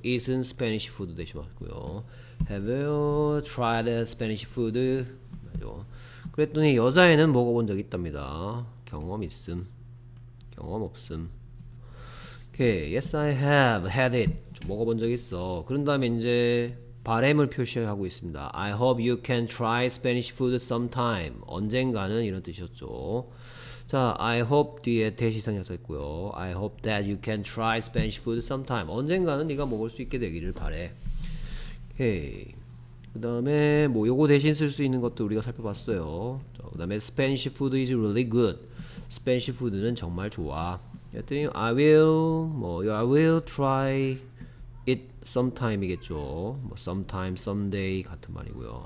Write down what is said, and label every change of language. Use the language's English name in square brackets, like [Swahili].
[English] Eat은 Spanish food [Korean] 대신 왔고요. [English] Have you tried Spanish food? [Korean] 맞죠. 그랬더니 여자애는 먹어본 적 있답니다. 경험 있음. 경험 없음. Okay. [English] Yes, I have had it. [Korean] 먹어본 적 있어. 그런 다음에 이제 바램을 표시하고 있습니다. [English] I hope you can try Spanish food sometime. [Korean] 언젠가는 이런 뜻이었죠. 자, [English] I hope [Korean] 뒤에 대시성 약속했고요. [English] I hope that you can try Spanish food sometime. [Korean] 언젠가는 네가 먹을 수 있게 되기를 바래. 오케이. 그 다음에 뭐 요거 대신 쓸수 있는 것도 우리가 살펴봤어요. 그 다음에 [English] Spanish food is really good. Spanish food는 [Korean] 정말 좋아. 그랬더니 [English] I will try it sometime이겠죠. 뭐 sometime, someday [Korean] 같은 말이고요.